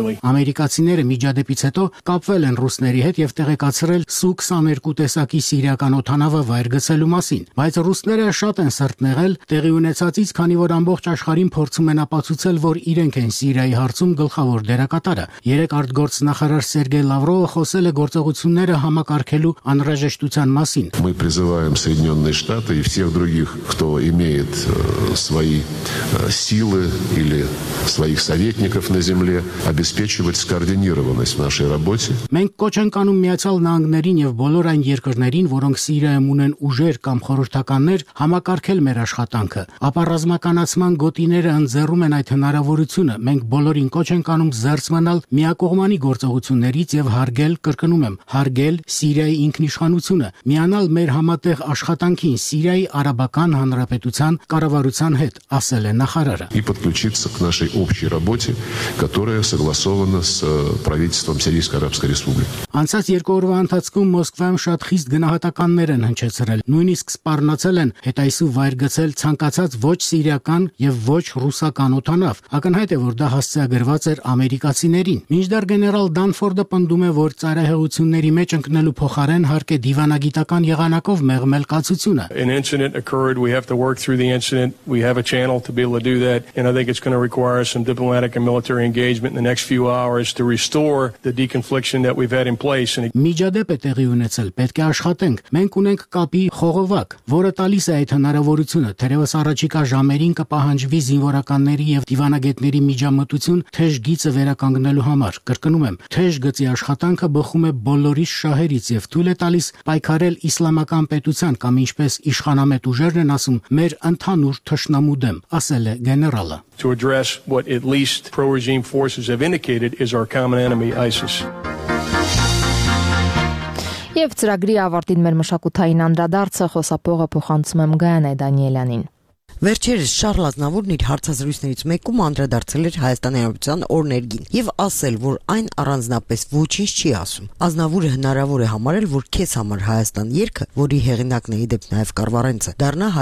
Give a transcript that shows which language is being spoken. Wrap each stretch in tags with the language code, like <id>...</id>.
<hy>Ամերիկացիները միջադեպից հետո կապվել են ռուսների հետ և տեղեկացրել Su-22 տեսակի սիրիական օդանավը վայր գցելու մասին, բայց ռուսները շատ են սրտնեղել տեղի ունեցածից, քանի որ ամբողջ աշխարհին փորձում են ապացուցել, որ իրենք են Սիրիայի հարցում գլխավոր դերակատարը։ Երեք արտգործ նախարար Սերգեյ Լավրովը խոսել է գործողությունները համակարգելու անհրաժեշտության մասին։</hy> <ru>Мы призываем Соединённые Штаты и всех других, кто имеет свои силы или своих советников на земле, обеспечивать скоординированность в нашей работе.</ru> <hy>Մենք կոչ ենք անում Միացյալ Նահանգներին եւ բոլոր այն երկրներին, որոնք Սիրիայում ունեն ուժեր կամ խորհրդականներ, համակարգել մեր աշխատանքը։ Ապա ռազմականացման գոտիները ընձեռում են այդ հնարավորությունը։ Մենք բոլորին կոչ ենք անում զերծմանալ միակողմանի գործողություններից եւ հարգել, կրկնում եմ, հարգել Սիրիայի ինքնիշխանությունը, միանալ մեր համատեղ աշխատանքին Սիրիայի Արաբական Հանրապետության կառավարության հետ, ասել է նախարարը։</hy> <ru>И подключиться к нашей общей работе, которая согласована с правительством Сирийской Арабской Республики.</ru> <hy>Անցած երկու օրվա ընթացքում Մոսկվայում շատ խիստ գնահատականներ են հնչեցրել, նույնիսկ սպառնացել են հետայիսու վայր գցել ցանկացած ոչ սիրիական եւ ոչ ռուսական օտանավ։ Ակնհայտ է, որ դա հասցեագրված էր ամերիկացիներին։ Մինչդեռ գեներալ Դանֆորդը պնդում է, որ ծայրահեղությունների մեջ ընկնելու փոխարեն հարկ է դիվանագիտական եղանակով մեղմել կացությունը։</hy> <en>An incident occurred, we have to work through the incident, we have a channel to be able to do that, and I think it's going to require some diplomatic and military engagement in the next few hours to restore the deconfliction that we've had in place.</en> <hy>Միջադեպ է տեղի ունեցել, պետք է աշխատենք, մենք ունենք կապի խողովակ, որը տալիս է այդ հնարավորությունը, թերևս առաջիկա ժամերին կպահանջվի զինվորականների եւ դիվանագետների միջամտություն թեժ գիծը վերականգնելու համար, կրկնում եմ, թեժ գծի աշխատանքը բխում է բոլորի շահերից եւ թույլ է տալիս պայքարել իսլամական պետության կամ ինչպես իշխանամետ ուժերն են ասում, մեր ընդհանուր թշնամու դեմ, ասել է գեներալը։</hy> <en>To address what at least pro-regime forces have indicated is our common enemy, ISIS.</en> <hy>Եվ ծրագրի ավարտին մեր մշակութային անդրադարձը խոսապողը փոխանցում եմ Գայանե Դանիելյանին։ Վերջերս Շառլ Ազնավուրն իր հարցազրույցներից մեկում անդրադարձել էր Հայաստանի Հանրապետության օրներգին և ասել, որ այն առանձնապես ոչինչ չի ասում։ Ազնավուրը հնարավոր է համարել, որ քեզ համար Հայաստան երկը, որի հեղինակն է իդեպ նաև Կարվարենցը, դառնա</hy>